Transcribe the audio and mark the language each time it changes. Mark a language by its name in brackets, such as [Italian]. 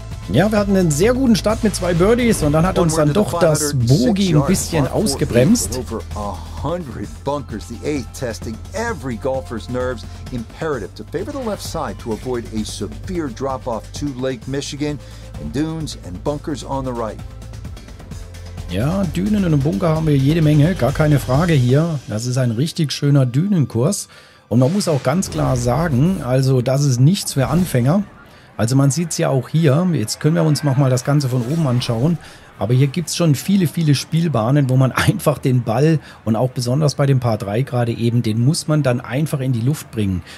[German] Ja, wir hatten einen sehr guten Start mit 2 Birdies und dann hat uns dann doch das Bogey ein bisschen ausgebremst. [English] Over 100 bunkers, the 8th testing every golfer's nerves. Imperative to favor the left side to avoid a severe drop off to Lake Michigan and dunes and bunkers on the right. [German] Ja, Dünen und Bunker haben wir jede Menge, gar keine Frage hier. Das ist ein richtig schöner Dünenkurs. Und man muss auch ganz klar sagen, also das ist nichts für Anfänger. Also man sieht es ja auch hier, jetzt können wir uns nochmal das Ganze von oben anschauen. Aber hier gibt es schon viele, viele Spielbahnen, wo man einfach den Ball und auch besonders bei dem Par 3 gerade eben, den muss man dann einfach in die Luft bringen.